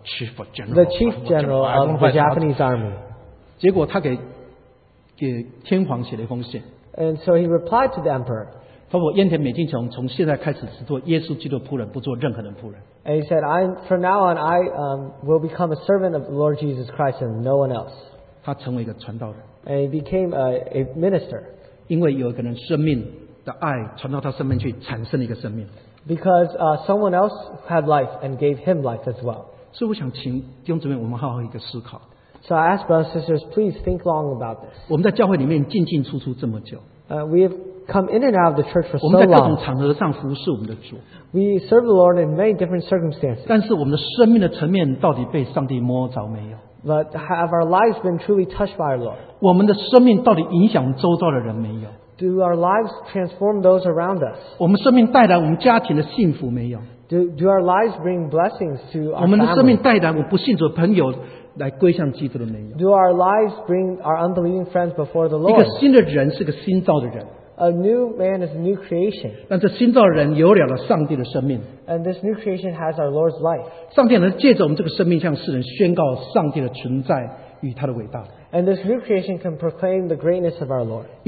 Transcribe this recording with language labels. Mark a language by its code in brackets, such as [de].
[en] chief general of the Japanese army. [zh] 结果他给天皇写了一封信。 [en] And so he replied to the emperor. [zh] 他说燕田美津雄从现在开始只做耶稣基督仆人，不做任何人仆人。 [en] And he said, from now on, I will become a servant of the Lord Jesus Christ and no one else. [zh] 他成为一个传道人。 [en] And he became a minister. [zh] 因为有一个人生命的爱传到他身边去，产生了一个生命。 [en] Because someone else had life and gave him life as well. [zh] 所以我想请弟兄姊妹，我们好好一个思考。 [en] So I ask brothers and sisters, please think long about this. [zh] 我们在教会里面进进出出这么久。 [en] We have come in and out of the church for so long. [zh] 我们在各种场合上服侍我们的主。 [en] We serve the Lord in many different circumstances. [zh] 但是我们的生命的层面到底被上帝摸着没有？ [en] But have our lives been truly touched by our Lord? [zh] 我们的生命到底影响周遭的人没有？ [en] Do our lives transform those around us? [zh] 我们生命带来我们家庭的幸福没有？ [en] Do our lives bring blessings to our family? [zh] 我们的生命带来我不信主的朋友来归向基督的没有？ [en] Do our lives bring our unbelieving friends before the Lord? [zh] 一个新的人是个新造的人。 [en] A new man is a new creation. [zh] 但这新造的人有了上帝的生命。 [en] And this new creation has our Lord's life. [zh] 上帝能借着我们这个生命向世人宣告上帝的存在与他的伟大。 [en] And this new creation can proclaim the greatness of our Lord.